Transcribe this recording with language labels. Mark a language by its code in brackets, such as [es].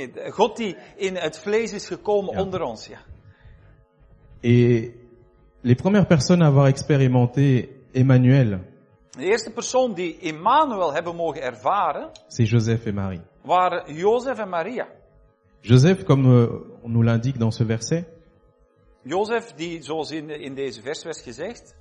[nl] God die in het vlees is gekomen onder ons, ja. [fr] Et les premières personnes à avoir expérimenté Emmanuel. [nl] De eerste persoon die Emmanuel hebben mogen ervaren. [fr] C'est Joseph et Marie. [nl] Waren Joseph en Maria. [fr] Joseph, comme on nous l'indique dans ce verset. [nl] Joseph die zoals in deze vers werd gezegd.